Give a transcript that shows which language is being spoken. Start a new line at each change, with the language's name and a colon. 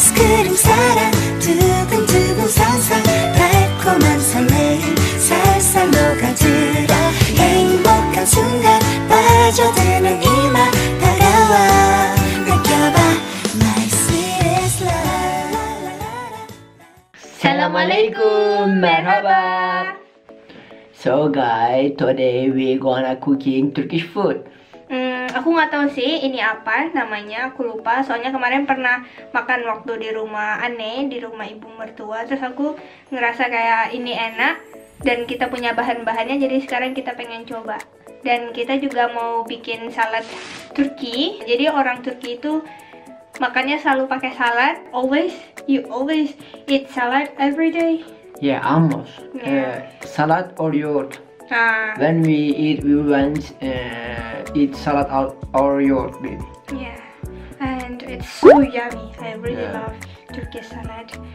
Korean: 설렘 사랑 두근두근 살살 달콤한 설레임 살살 녹아들어 행복한 순간 빠져드는 이 맘 다가와 느껴봐
English: My sweetest love.
Arabic: 살람 알레이쿰 메라바.
English: So guys, today we gonna cooking Turkish food.
Indonesian: Aku nggak tahu sih ini apa namanya, aku lupa. Soalnya kemarin pernah makan waktu di rumah aneh, di rumah ibu mertua. Terus aku ngerasa kayak ini enak dan kita punya bahan-bahannya. Jadi sekarang kita pengen coba. Dan kita juga mau bikin salad Turki. Jadi orang Turki itu makannya selalu pakai salad.
English: Always, you always eat salad every day. Yeah, almost. Yeah. Salad or yogurt. When we eat, we want eat salad or yogurt, baby. Yeah, and it's so yummy. I really love Turkish salad.